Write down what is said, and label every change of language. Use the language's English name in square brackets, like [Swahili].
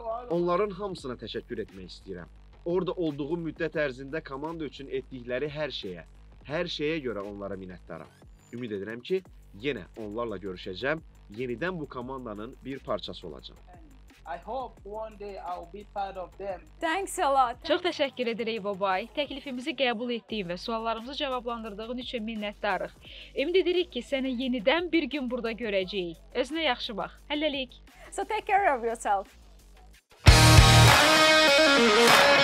[Azerbaijani] Onların hamısına təşəkkür etmək istəyirəm. Orada olduğum müddət ərzində komanda üçün etdikləri hər şeyə görə onlara minnətdaram. Ümid edirəm ki, yenə onlarla görüşəcəm, yenidən bu komandanın bir parçası olacaq. [English] I hope one day I'll be part of them. Thanks a lot. [Azerbaijani] Çox təşəkkür edirik, Bobay. Təklifimizi qəbul etdiyin və suallarımızı cavablandırdığın üçün minnətdarıq. Ümid edirik ki, səni yenidən bir gün burada görəcəyik. Özünə yaxşı bax. Həllilik. [English] So take care of yourself.